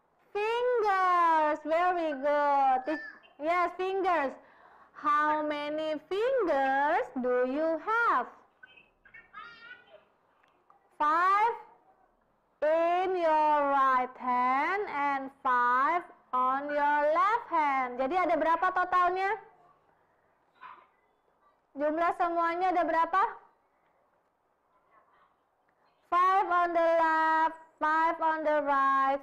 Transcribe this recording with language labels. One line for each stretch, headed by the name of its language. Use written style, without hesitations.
English: Fingers, very good. Yes, fingers. How many fingers do you have? Five in your right hand and five on your left hand.
Indonesian: Jadi ada berapa totalnya? Jumlah semuanya ada berapa?
English: Five on the left, five on the right.